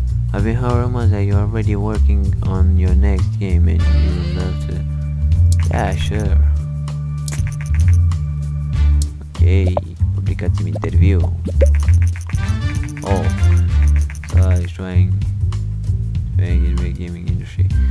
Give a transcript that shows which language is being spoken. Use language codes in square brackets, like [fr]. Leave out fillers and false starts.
[en] Have you heard rumors that you're already working on your next game and you would love to... Yeah, sure. [ro] Ok, publicați-mi interviu. Oh. [en] He's trying to make it in the gaming industry.